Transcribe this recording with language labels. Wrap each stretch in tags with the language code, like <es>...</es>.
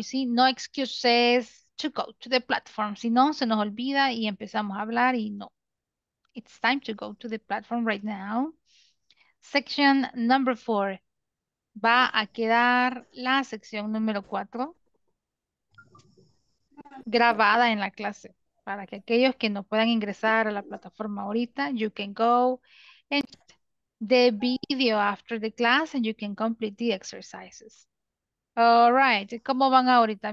<es>Y sí,</es> <en>no excuses to go to the platform.</en> <es>Si no, se nos olvida y empezamos a hablar y no.</es> <en>It's time to go to the platform right now. Section number four.</en> <es>Va a quedar la sección número 4 grabada en la clase. Para que aquellos que no puedan ingresar a la plataforma ahorita,</es> <en>you can go and the video after the class and you can complete the exercises. All right.</en> <es>¿Cómo van ahorita?</es>